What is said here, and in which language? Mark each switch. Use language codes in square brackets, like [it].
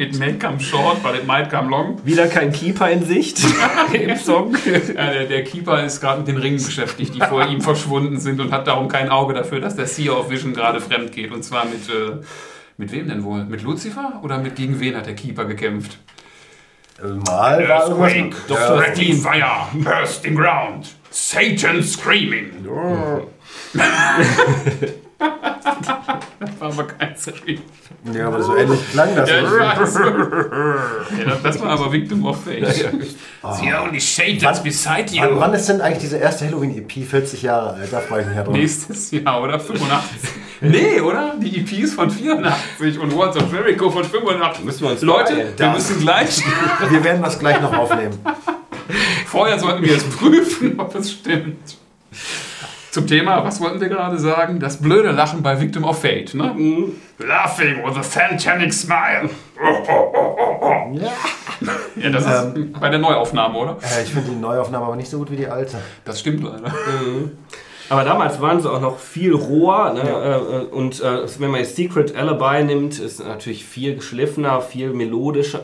[en] It may come short, but it might come long. [de] Wieder kein Keeper in Sicht im Song. Ja, der Keeper ist gerade mit den Ringen beschäftigt, die vor ihm verschwunden sind und hat darum kein Auge dafür, dass der Seer of Vision gerade fremd geht. Und zwar mit wem denn wohl? Mit Lucifer? Oder gegen wen hat der Keeper gekämpft? Mal war irgendwas mit [en] Dr. Steam. Fire, bursting ground, Satan screaming. [de] Das war aber kein Scream. Ja, aber so ähnlich klang das. Ja, das war aber Victim of Fate. Ja, ja. Oh. [en] The only shade that's beside you. [de] Wann ist denn eigentlich diese erste Halloween-EP? 40 Jahre, da freue ich mich ja drauf. Nächstes Jahr, oder? 85. Nee, oder? Die EP ist von 84 und Words of Jericho von 85. Müssen wir uns Leute, wir müssen gleich... Wir werden das gleich noch aufnehmen. Vorher sollten wir es prüfen, ob es stimmt. Zum Thema, was wollten wir gerade sagen? Das blöde Lachen bei Victim of Fate, ne? Mm-hmm. [en] Laughing with a satanic smile. [de] Ja, das ist bei der Neuaufnahme, oder? Ich finde die Neuaufnahme aber nicht so gut wie die alte. Das stimmt leider. Aber damals waren sie auch noch viel roher. Ne? Ja. Und wenn man jetzt Secret Alibi nimmt, ist natürlich viel geschliffener, viel melodischer.